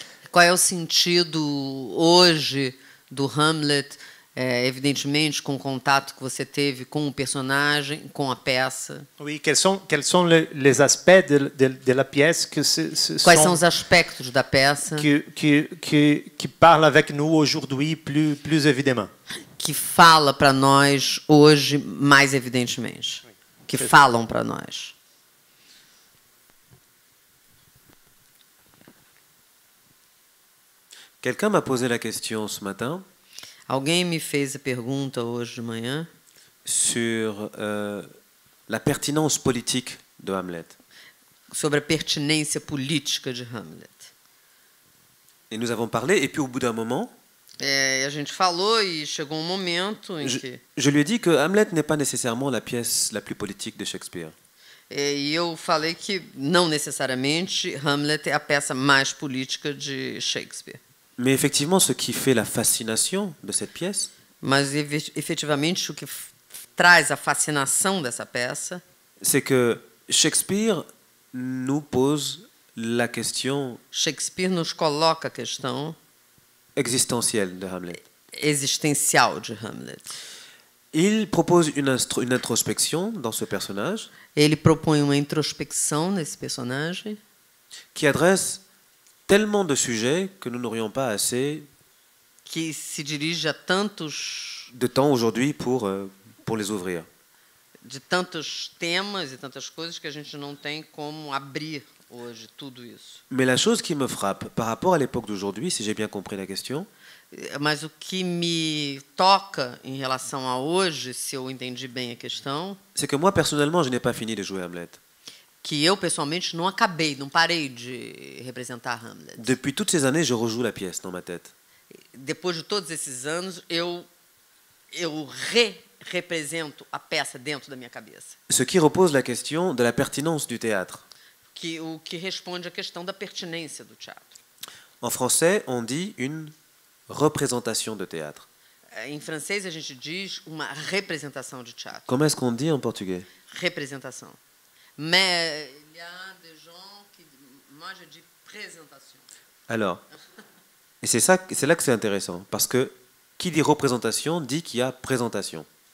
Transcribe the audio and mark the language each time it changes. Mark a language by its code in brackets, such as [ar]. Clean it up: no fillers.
[pt] Qual é o sentido hoje do Hamlet, evidentemente com o contato que você teve com o personagem, com a peça? [fr] Oui, quels sont les aspects de la pièce que [pt] quais são os aspectos da peça [fr] que parle avec nous aujourd'hui plus évidemment? [pt] Que fala para nós hoje mais evidentemente. Que falam para nós. [fr] Quelqu'un m'a posé la question ce matin. [pt] Alguém me fez a pergunta hoje de manhã. [fr] Sur la pertinence politique de Hamlet. [pt] Sobre a pertinência política de Hamlet. [fr] Et nous avons parlé et puis au bout d'un moment. [pt] A gente falou e chegou um momento em que. [fr] Je lui ai dit que Hamlet n'est pas nécessairement la pièce la plus politique de Shakespeare. [pt] E eu falei que não necessariamente Hamlet é a peça mais política de Shakespeare. [fr] Mais effectivement, ce qui fait la fascination de cette pièce. [pt] Mas efetivamente o que traz a fascinação dessa peça. [fr] C'est que Shakespeare nous pose la question. [pt] Shakespeare nos coloca a questão existencial de Hamlet. Existencial de Hamlet. [fr] Il propose une introspection dans ce personnage. [pt] Ele propõe uma introspecção nesse personagem. [fr] Qui adresse tellement de sujets que nous n'aurions pas assez. [pt] Que se dirige a tantos. [fr] De temps aujourd'hui pour les ouvrir. [pt] De tantos temas e tantas coisas que a gente não tem como abrir hoje tudo isso. [fr] Mais la chose qui me frappe par rapport à l'époque d'aujourd'hui, si j'ai bien compris la question. [pt] Mas o que me toca em relação a hoje, se eu entendi bem a questão, [fr] c'est que moi personnellement, je n'ai pas fini de jouer Hamlet. [pt] Que eu pessoalmente não acabei, não parei de representar Hamlet. [fr] Depuis toutes ces années, je rejoue la pièce dans ma tête. [pt] Depois de todos esses anos, eu re-represento a peça dentro da minha cabeça. [fr] Ce qui repose la question de la pertinence du théâtre. [pt] Que o que responde à questão da pertinência do teatro. [fr] En français, on dit une représentation de théâtre. [pt] Em francês a gente diz uma representação de teatro. Como é que [fr] on dit en portugais? [pt] Representação. [fr] Mais il y a des gens qui mangent de présentation. Alors, et c'est ça, c'est là que c'est intéressant, parce que qui dit représentation dit qu'il y a présentation.